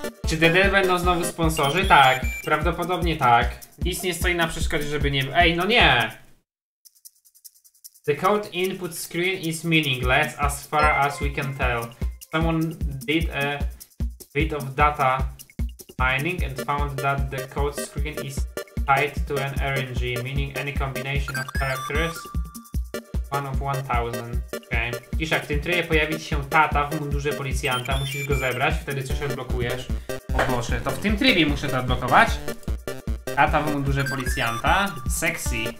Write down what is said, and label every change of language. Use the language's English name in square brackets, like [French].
[Polish] Czy DD będą znowu sponsorzy? Tak, prawdopodobnie tak. Nic nie stoi na przeszkodzie, żeby nie... Ej, no nie! [English] The code input screen is meaningless as far as we can tell. Someone did a bit of data mining and found that the code screen is tied to an RNG, meaning any combination of characters one of 1000. Okej. Okay. [Polish] Iszak, w tym trybie pojawić się tata w mundurze policjanta, musisz go zebrać, wtedy coś odblokujesz. O Boże, to w tym trybie muszę to odblokować. Tata w mundurze policjanta. Sexy.